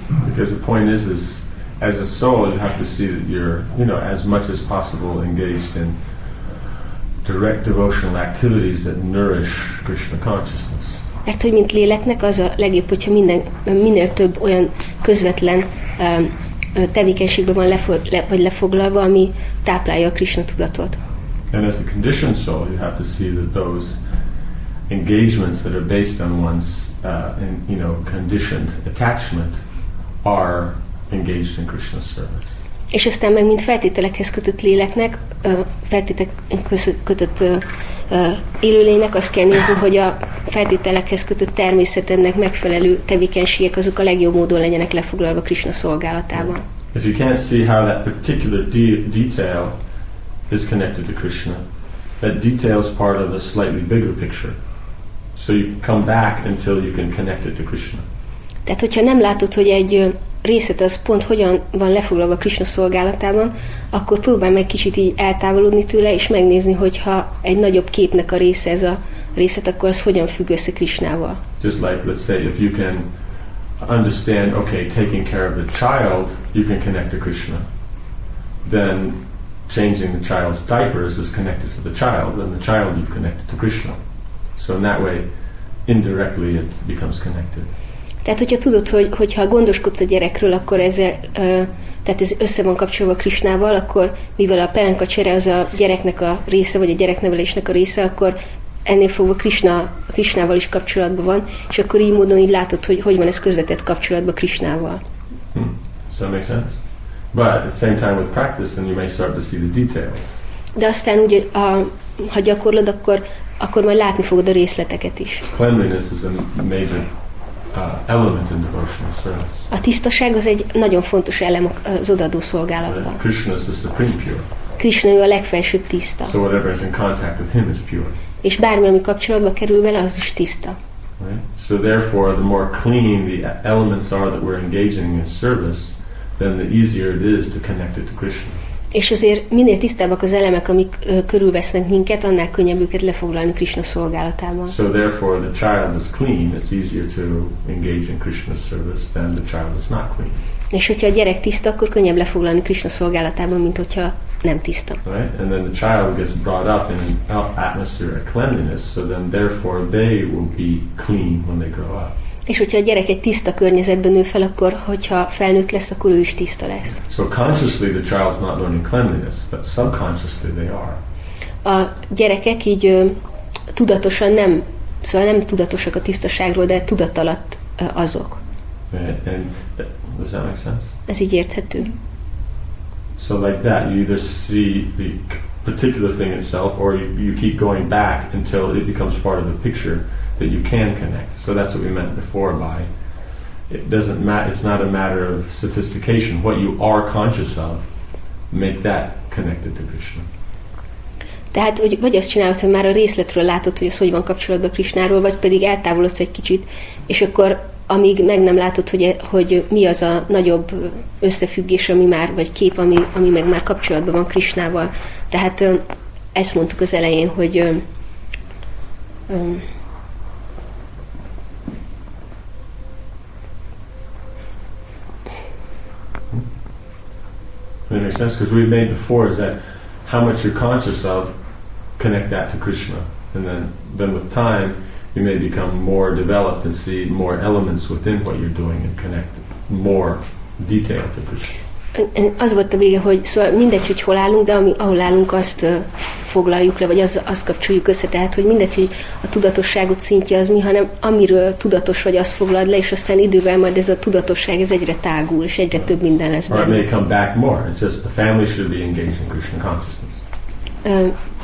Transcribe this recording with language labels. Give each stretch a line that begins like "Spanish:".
English: Because the point is, as a soul, you have to see that you're, you know, as much as possible engaged in direct devotional activities that nourish Krishna consciousness.
Hungarian: Mert hogy mint léleknek az a legjobb, hogyha minél több olyan közvetlen tevékenységben van lefoglalva, ami táplálja a Krishna tudatot.
English: And as a conditioned soul, you have to see that those engagements that are based on one's conditioned attachment are engaged in Krishna service.
Hungarian: És aztán meg mint feltételekhez kötött léleknek, feltételekhez kötött élőlénynek azt kell nézni, hogy a feltételekhez kötött természetednek megfelelő tevékenységek azok a legjobb módon legyenek lefoglalva Krishna szolgálatában.
English: If you can't see how that particular detail is connected to Krishna, that detail is part of a slightly bigger picture. So you come back until you can connect it to Krishna.
Hungarian: Tehát, hogyha nem látod, hogy egy részlet az pont hogyan van lefoglalva Krishna szolgálatában, akkor próbálj meg kicsit így eltávolodni tőle, és megnézni, hogyha egy nagyobb képnek a része ez a részlet, akkor az hogyan függ össze Krishnával.
English: Just like, let's say, if you can understand, okay, taking care of the child, you can connect to Krishna. Then changing the child's diapers is connected to the child, and the child you've connected to Krishna. So in that way, indirectly it becomes connected.
Hungarian: Tehát, hogyha tudod, hogy ha gondoskodsz a gyerekről, akkor ez össze van kapcsolva Krisnával, akkor mivel a pelenka csere az a gyereknek a része, vagy a gyereknevelésnek a része, akkor ennél fogva Krisnával is kapcsolatban van, és akkor így módon így látod, hogy van ez közvetett kapcsolatban Krisnával.
English: Does that make sense? But at the same time with practice, then you may start to see the details.
Hungarian: De aztán úgy, ha gyakorlod, akkor majd látni fogod a részleteket is.
English: Cleanliness is a major element in devotional service.
Hungarian: A tisztaság az egy nagyon fontos elem az odaadó szolgálatban.
English: Krishna is the supreme pure.
Hungarian: Krishna ő a legfelsőbb tiszta.
English: So whatever is in contact with him is pure.
Hungarian: És bármi, ami kapcsolatba kerül vele, az is tiszta.
English: Right? So therefore, the more clean the elements are that we're engaging in service, then the easier it is to connect it to Krishna.
Hungarian: És azért minél tisztábbak az elemek, amik körülvesznek minket, annál könnyebb őket lefoglalni Krishna szolgálatában.
English: So therefore, the child is clean, it's easier to engage in Krishna's service than the child is not clean.
Hungarian: És hogyha a gyerek tiszta, akkor könnyebb lefoglalni Krishna szolgálatában, mint hogyha nem tiszta.
English: Right? And then the child gets brought up in an atmosphere of cleanliness, so then therefore they will be clean when they grow up.
Hungarian: És hogyha a gyerek egy tiszta környezetben nő fel, akkor hogyha felnőtt lesz, akkor ő is tiszta lesz.
English: So consciously the child's not learning cleanliness, but subconsciously they are.
Hungarian: A gyerekek így tudatosan nem, szóval nem tudatosak a tisztaságról, de tudat alatt azok.
English: And does that make sense?
Hungarian: Ez így érthető.
English: So like that, you either see the particular thing itself, or you keep going back until it becomes part of the picture that you can connect. So that's what we meant before by it doesn't matter, it's not a matter of sophistication. What you are conscious of, make that connected to Krishna.
Hungarian: Tehát, vagy azt csinálod, hogy már a részletről látod, hogy az hogy van kapcsolatban Krishnáról, vagy pedig eltávolodsz egy kicsit, és akkor amíg meg nem látod, hogy mi az a nagyobb összefüggés, ami már, vagy kép, ami meg már kapcsolatban van Krishnával. Tehát ezt mondtuk az elején, hogy
English: that makes sense, because we made before is that how much you're conscious of, connect that to Krishna, and then with time you may become more developed and see more elements within what you're doing and connect more detail to Krishna.
Hungarian: Az volt a vége, hogy szóval mindegy, hogy hol állunk, de ahol állunk, azt foglaljuk le, vagy azt kapcsoljuk össze. Tehát, hogy mindegy, hogy a tudatosságot szintje az mi, hanem amiről tudatos vagy, azt foglalod le, és aztán idővel majd ez a tudatosság ez egyre tágul, és egyre több minden lesz benne.
English: Or it may come back more. It's just the family should be engaged in Krishna consciousness.